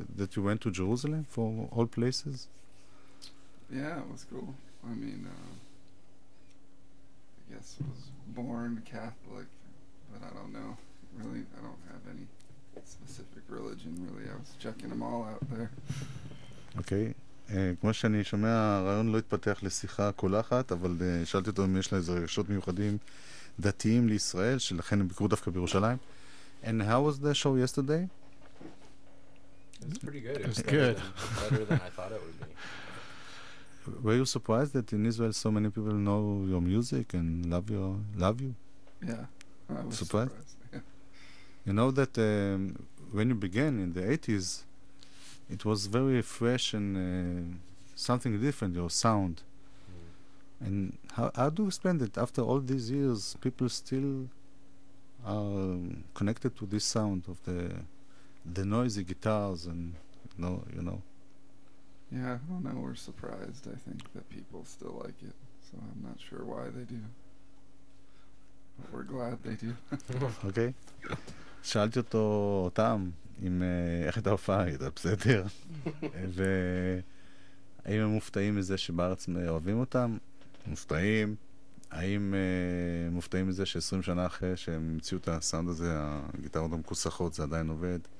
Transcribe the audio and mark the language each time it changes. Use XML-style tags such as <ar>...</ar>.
<en>That you went to Jerusalem for all places? Yeah, it was cool. I mean, I guess I was born Catholic, but I don't know. Really, I don't have any specific religion, really. I was checking them all out there. Okay.</en> <he>כמו שאני שומע, הרעיון לא התפתח לשיחה קולחת, אבל שאלתי אותו אם יש לה איזה רגשות מיוחדים דתיים לישראל, שלכן הם ביקרו דווקא בירושלים.</he> <en>And how was the show yesterday? It was pretty good. It was good. Better than I thought it would be. Were you surprised that in Israel so many people know your music and love you? Yeah. I was surprised. You know that when you began in the 80s, it was very fresh and something different, your sound. Mm. And how do you explain that after all these years, people still are connected to this sound of the noisy guitars and, you know? Yeah, I don't know. We're surprised, I think, that people still like it. So I'm not sure why they do. But we're glad they do. Okay.</en> <he>שאלתי אותו, אותם, אם איך את ההופעה, הייתה בסדר? והאם הם מופתעים מזה שבארץ אוהבים אותם? מופתעים. האם מופתעים מזה ש-20 שנה אחרי שהם מציאו את הסאונד הזה, הגיטרות המקוסחות, זה עדיין עובד?</he>